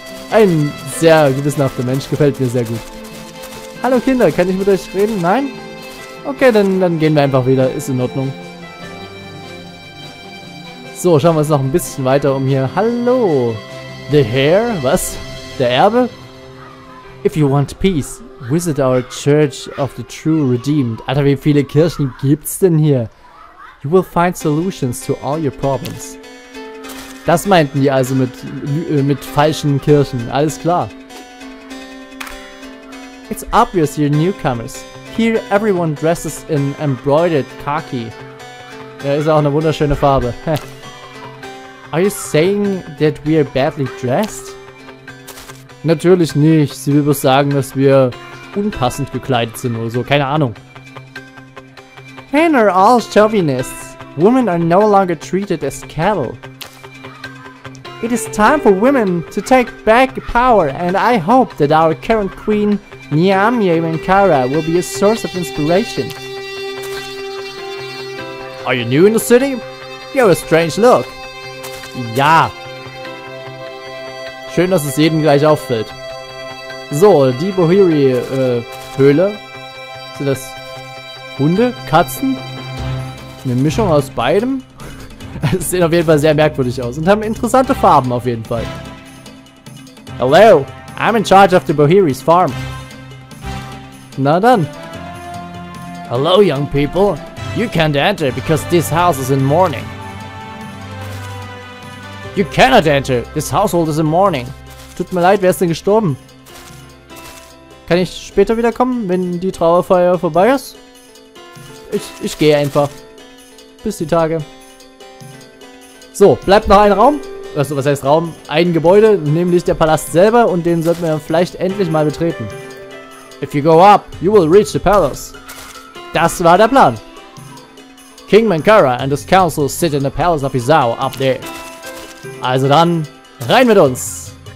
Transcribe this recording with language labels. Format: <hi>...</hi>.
<de>Ein sehr gewissenhafter Mensch, gefällt mir sehr gut. Hallo Kinder, kann ich mit euch reden? Nein? Okay, dann gehen wir einfach wieder, ist in Ordnung. So, schauen wir uns noch ein bisschen weiter um hier. Hallo!</de> <en>The heir?</en> <de>Was? Der Erbe?</de> <en>If you want peace, visit our Church of the True Redeemed.</en> <de>Alter, wie viele Kirchen gibt's denn hier?</de> <en>You will find solutions to all your problems.</en> <de>Das meinten die also mit falschen Kirchen. Alles klar.</de> <en>It's obvious you're newcomers. Here everyone dresses in embroidered khaki.</en> <de>Ja, ist auch eine wunderschöne Farbe.</de> <en>Are you saying that we are badly dressed?</en> <de>Natürlich nicht. Sie will bloß sagen, dass wir unpassend gekleidet sind oder so. Keine Ahnung.</de> <en>Men are all chauvinists. Women are no longer treated as cattle. It is time for women to take back power, and I hope that our current queen, Nyamye Menkara, will be a source of inspiration. Are you new in the city? You have a strange look.</en> <de>Ja. Schön, dass es jedem gleich auffällt. So, die Bohiri, Höhle. Sind das Hunde? Katzen? Eine Mischung aus beidem? Das sieht auf jeden Fall sehr merkwürdig aus und haben interessante Farben auf jeden Fall.</de> <en>Hello, I'm in charge of the Bohiri's farm.</en> <de>Na dann.</de> <en>Hello, young people. You can't enter because this house is in mourning. You cannot enter. This household is in mourning.</en> <de>Tut mir leid, wer ist denn gestorben? Kann ich später wiederkommen, wenn die Trauerfeier vorbei ist? Ich gehe einfach. Bis die Tage. So, bleibt noch ein Raum. Also, was heißt Raum? Ein Gebäude, nämlich der Palast selber, und den sollten wir vielleicht endlich mal betreten.</de> <en>If you go up, you will reach the palace.</en> <de>Das war der Plan.</de> <en>King Menkara and his council sit in the palace of Izao up there.</en> <de>Also dann, rein mit uns!</de>